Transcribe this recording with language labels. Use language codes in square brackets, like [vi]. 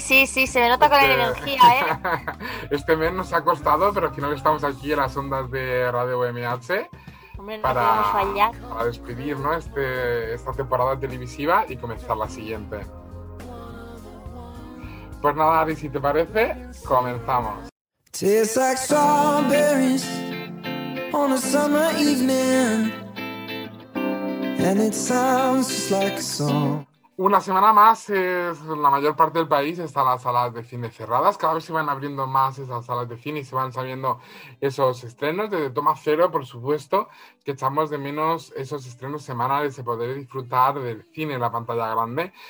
[es] Sí, se me nota con la energía, ¿eh? Este mes nos ha costado, pero al final estamos aquí en las ondas de Radio UMH. Hombre, no podemos fallar. Para despedir, ¿no?, esta temporada televisiva y comenzar la siguiente. Pues nada, Ari, si te parece, comenzamos. [en] Tastes like strawberries on a summer evening. And it sounds just like a song. [es] Una semana más, la mayor parte del país están las salas de cine cerradas. Cada vez se van abriendo más esas salas de cine y se van sabiendo esos estrenos. Desde Toma Cero, por supuesto, que echamos de menos esos estrenos semanales de poder disfrutar del cine en la pantalla grande.